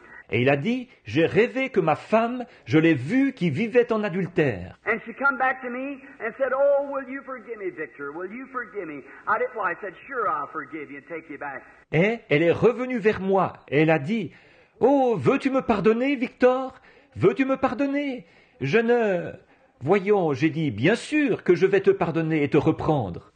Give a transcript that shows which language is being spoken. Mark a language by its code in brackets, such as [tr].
[fr] Et il a dit, j'ai rêvé que ma femme, je l'ai vue qui vivait en adultère. [en] And she come back to me and said, oh, will you forgive me, Victor? Will you forgive me? I didn't lie. I said, sure, I'll forgive you and take you back. [fr] Et elle est revenue vers moi et elle a dit, oh, veux-tu me pardonner, Victor? Veux-tu me pardonner? Je ne... Voyons, j'ai dit, bien sûr que je vais te pardonner et te reprendre.